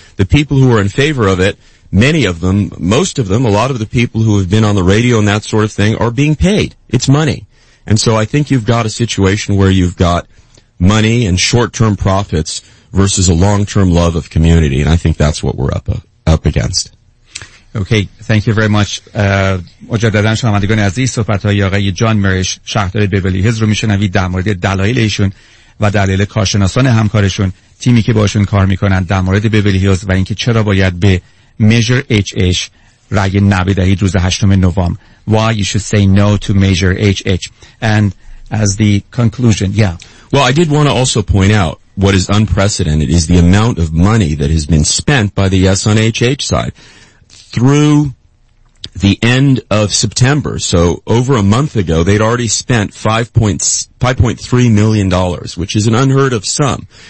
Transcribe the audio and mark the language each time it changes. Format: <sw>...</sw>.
<en>The people who are in favor of it, many of them, most of them, a lot of the people who have been on the radio and that sort of thing are being paid. It's money. And so I think you've got a situation where you've got money and short-term profits versus a long-term love of community, and I think that's what we're up against. Okay, thank you very much.</en> <fa>مجدداً شنوندگان عزیز، صحبت‌های آقای جان میرش، شهردار بیولی هیلز رو می‌شنوید در مورد دلایل ایشون و دلایل کارشناسان همکارشون، تیمی که باشون کار می‌کنن در مورد بیولی هیلز و اینکه چرا باید به Measure HH رای نبیدهید روز 8 نوامبر.</fa> <en>Why you should say no to Measure HH. And as the conclusion, yeah. Well, I did want to also point out what is unprecedented is the amount of money that has been spent by the Yes on HH side. Through the end of September, so over a month ago, they'd already spent $5.3 million, which is an unheard of sum.</en>